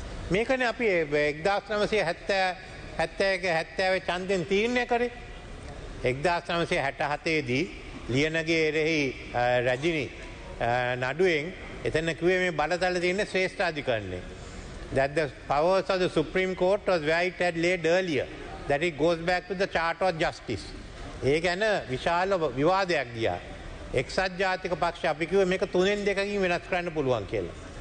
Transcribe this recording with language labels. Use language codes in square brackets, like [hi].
[si] මේකනේ අපි 1971 ඡන්දයෙන් තීරණය කරේ. 1967දී ලියනගේ එරෙහි රජිනි නඩුවෙන් එතන කිව්වේ මේ බලතල තියෙන ශ්‍රේෂ්ඨ අධිකරණය. [en] That the powers of the Supreme Court was where it had laid earlier. That it goes back to the Charter of Justice. [si] ඒ ගැන විශාල විවාදයක් ගියා. එක්සත් ජාතික පක්ෂය අපි කිව්වේ මේක 3-2 වෙනස් කරන්න පුළුවන් කියලා.